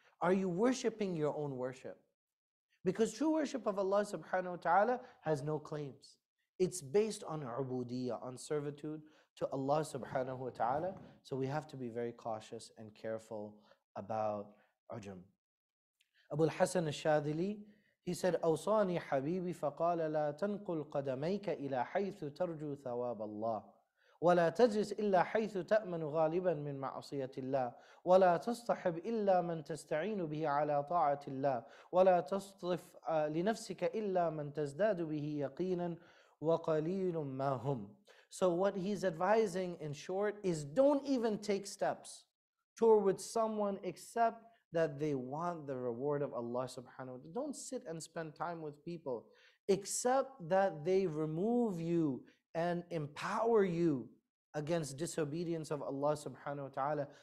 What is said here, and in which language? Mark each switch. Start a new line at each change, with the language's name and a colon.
English: Are you worshipping your own worship? Because true worship of Allah subhanahu wa ta'ala has no claims. It's based on ubudiyyah, on servitude to Allah subhanahu wa ta'ala. So we have to be very cautious and careful about ujum.
Arabic: Abu al-Hasan al-Shadili,
English: he said,
Arabic: أَوْصَانِي حَبِيبِي فَقَالَ لَا تَنْقُلْ قَدَمَيْكَ إِلَىٰ حَيْثُ تَرْجُو ثَوَابَ اللَّهِ وَلَا تَجْلِسْ إِلَّا حَيْثُ تَأْمَنُ غَالِبًا مِنْ مَعْصِيَةِ اللَّهِ وَلَا تَصْطَحِبْ إِلَّا مَنْ تَسْتَعِينُ بِهِ عَلَىٰ طَاعَةِ اللَّهِ وَلَا تَصْطِفْ لِنَفْسِكَ إِلَّا مَنْ تَزْدَادُ بِهِ يَقِينًا وَقَلِيلٌ مَا هُمْ.
English: So what he's advising in short is don't even take steps toward someone except that they want the reward of Allah subhanahu wa ta'ala. Don't sit and spend time with people except that they remove you and empower you against disobedience of Allah subhanahu wa ta'ala.